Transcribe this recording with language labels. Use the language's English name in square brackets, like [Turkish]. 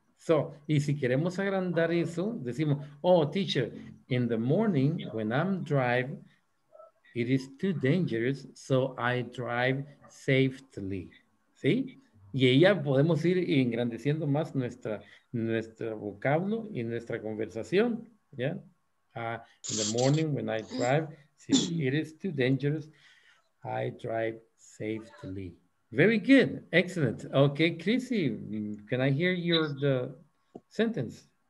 [English] So, [Spanish] y si queremos agrandar eso, decimos, [English] oh, teacher, in the morning when I'm driving, it is too dangerous, so I drive safely. [Spanish] ¿Sí? Y ahí ya podemos ir engrandeciendo más nuestro vocablo y nuestra conversación. [English] Yeah. In the morning when I drive, it is too dangerous, I drive safely. Very good. Excellent. Okay, Chrissy, can I hear the sentence?